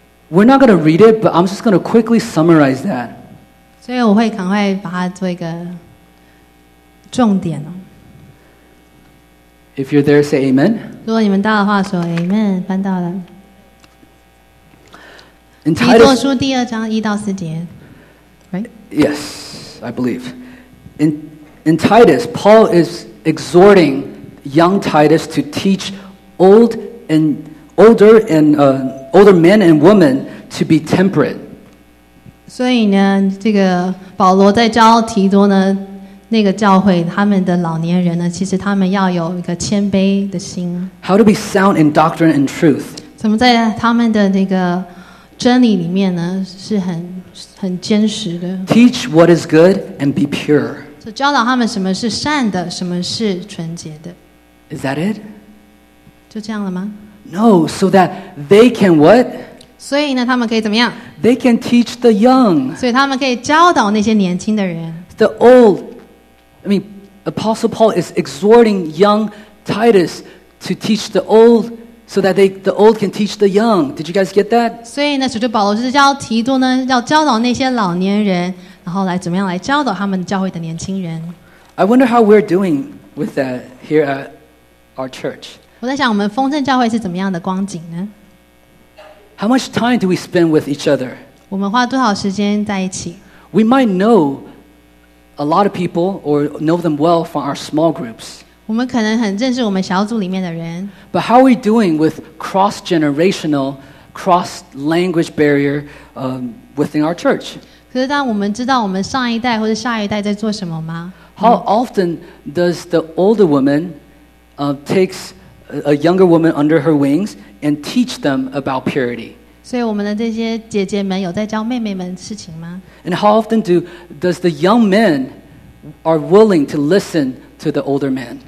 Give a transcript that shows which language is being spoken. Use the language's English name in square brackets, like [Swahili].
[English] We're not going to read it, but I'm just going to quickly summarize that. [Chinese] 所以我会赶快把它做一个重点哦。 [English] If you're there, say Amen. [Chinese] 如果你们到的话，说 Amen。翻到了。提多书第二章一到四节 ， [English] Right? Yes, I believe. In Titus, Paul is exhorting young Titus to teach older men and women to be temperate. [Chinese] 所以呢，这个保罗在教提多呢，那个教会他们的老年人呢，其实他们要有一个谦卑的心。 [English] How to be sound in doctrine and truth? [Chinese] 怎么在他们的那个真理里面呢，是很坚实的。 [English] Teach what is good and be pure. So, [Chinese] 教导他们什么是善的，什么是纯洁的。 [English] Is that it? [Chinese] 就这样了吗 [English] ？No, so that they can what? [Chinese] 所以呢，他们可以怎么样 [English] ？They can teach the young. [Chinese] 所以他们可以教导那些年轻的人。 [English] The old, I mean, Apostle Paul is exhorting young Titus to teach the old, so that the old can teach the young. Did you guys get that? [Chinese] 所以呢，使徒保罗是教提多呢，要教导那些老年人。然后来怎么样来教导他们教会的年轻人 [English] ？I wonder how we're doing with that here at our church. [Chinese] 我在想我们丰盛教会是怎么样的光景呢 [English] ？How much time do we spend with each other? [Chinese] 我们花多少时间在一起 [English] ？We might know a lot of people or know them well from our small groups. [Chinese] 我们可能很认识我们小组里面的人。 [English] But how are we doing with cross-generational, cross-language barrier, within our church? [Chinese] 可是当我们知道我们上一代或者下一代在做什么吗 [English] ？How often does the older woman, takes a younger woman under her wings and teach them about purity? [Chinese] 所以我们的这些姐姐们有在教妹妹们事情吗？ [English] And how often does the young men are willing to listen to the older men?